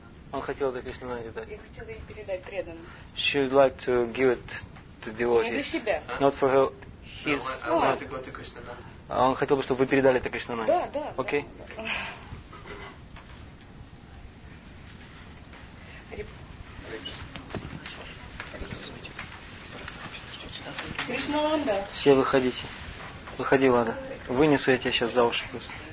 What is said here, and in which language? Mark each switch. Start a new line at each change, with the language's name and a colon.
Russian: Он хотел это Кришна Нанде дать. Я хотела ей передать преданным.
English: She would like to give it to devotees.
Russian: Не для себя. Huh?
English: Not for her. His. No, I want to go to Кришна Нанде.
Russian: А он хотел бы, чтобы вы передали это Кришна Нанде. Да, да. Окей. Кришна Нанде. Все выходите. Выходи, Лада. Вынесу я тебя сейчас за уши просто.